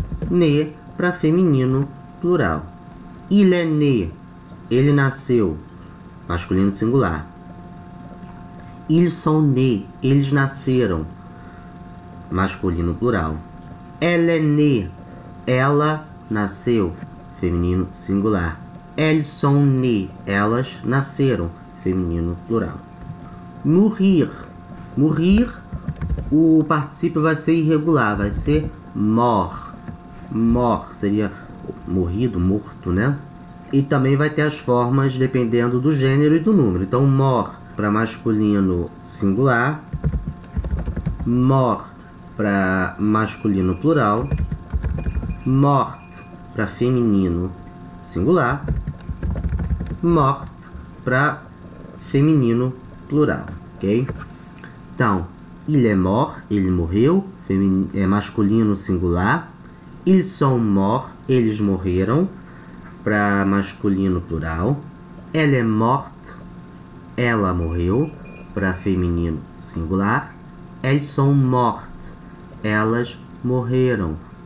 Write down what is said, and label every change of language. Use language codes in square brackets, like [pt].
[pt] Né para feminino, plural. [fr] Il est né. [pt] Ele nasceu. Masculino, singular. [fr] Ils sont né. [pt] Eles nasceram. Masculino, plural. [fr] Elle est né. [pt] Ela nasceu, feminino, singular. [fr] Elles sont nées, [pt] elas nasceram, feminino, plural. [fr] Mourir. [pt] Mourir, o particípio vai ser irregular, vai ser mort. Mort seria morrido, morto, né? E também vai ter as formas dependendo do gênero e do número. Então, mort para masculino, singular. Mort para masculino, plural. Morte para feminino, singular. Morte para feminino, plural. Ok? Então, [fr] il est mort, [pt] ele morreu. Masculino, singular. [fr] Ils sont morts, [pt] eles morreram. Para masculino, plural. [fr] Elle est morte, [pt] ela morreu. Para feminino, singular. [fr] Elles sont mortes, [pt] elas morreram.